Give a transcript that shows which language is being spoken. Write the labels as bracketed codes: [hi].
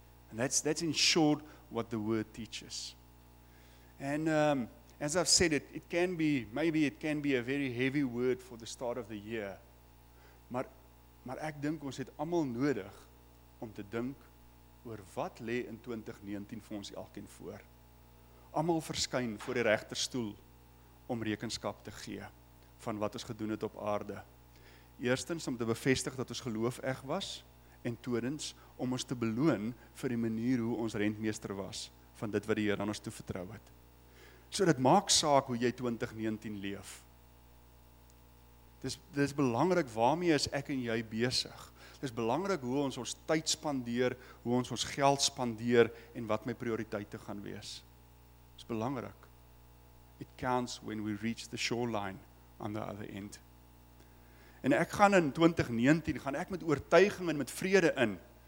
[en] And that's in short what the word teaches. And as I've said, it can be a very heavy word for the start of the year. [af] Maar ek dink ons het almal nodig om te dink oor wat lê in 2019 vir ons elkeen voor. Almal verskyn voor die regterstoel om rekenskap te gee van wat ons gedoen het op aarde. Eerstens om te bevestig dat ons geloof eg was en tweedens om ons te beloon vir die manier hoe ons rentmeester was van dit wat die Here aan ons toevertrou het. So dit maak saak hoe jy 2019 leef. Dis belangrik waarmee is ek en jy besig. Dis belangrik hoe ons tyd spandeer, hoe ons geld spandeer en wat my prioriteite gaan wees. Dis belangrik. [en] It counts when we reach the shoreline on the other end. [af] En ek gaan in 2019, gaan ek met oortuiging en met vrede in.